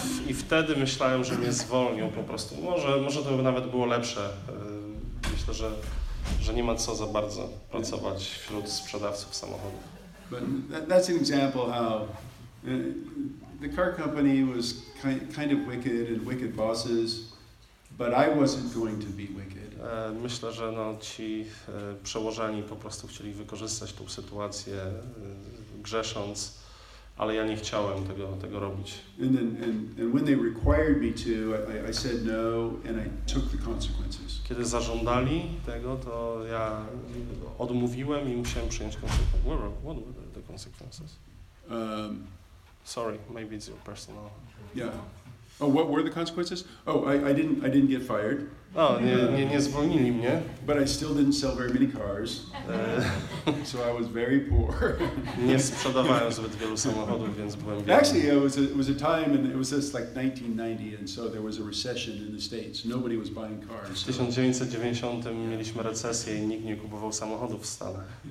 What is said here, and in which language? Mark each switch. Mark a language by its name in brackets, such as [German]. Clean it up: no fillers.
[Polish] I wtedy myślałem, że mnie zwolnią po prostu. Może to by nawet było lepsze. Myślę, że nie ma co za bardzo pracować wśród sprzedawców samochodów. [English] But that's an example how the car company was kind of wicked and wicked bosses, but I wasn't going to be wicked. [Polish] Myślę, że ci przełożeni po prostu chcieli wykorzystać tą sytuację, grzesząc, ale ja nie chciałem tego robić. [English] And when they required me to, I said no and I took the consequences. [Polish] Kiedy zażądali tego, to ja odmówiłem i musiałem przyjąć konsekwencje. [English] What were the consequences? Sorry, maybe it's your personal. Yeah. Oh, what were the consequences? Oh, I didn't get fired. Oh, [Polish] nie zwolnili mnie. [English] But I still didn't sell very many cars. So I was very poor. [Polish] Nie sprzedawałem zbyt wielu samochodów, więc byłem biedny. [English] Actually, it was a time, and it was just like 1990, and so there was a recession in the States. Nobody was buying cars. [Polish] W 1990 mieliśmy recesję i nikt nie kupował samochodów w Stanach.